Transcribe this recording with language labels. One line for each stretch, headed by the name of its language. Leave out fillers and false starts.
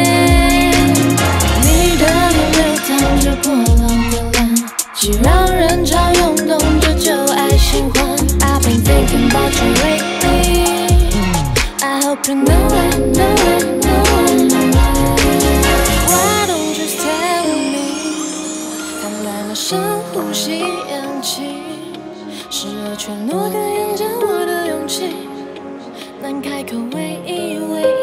Chinese: 你的眼流淌着波浪的蓝，是让人潮涌动着旧爱新欢。
English: I've been thinking about you lately。 I hope you know it, know it, know it。 Why don't you stay with me？
Chinese: 贪婪的深呼吸氧气，视而却诺哽咽着我的勇气，难开口唯一唯一。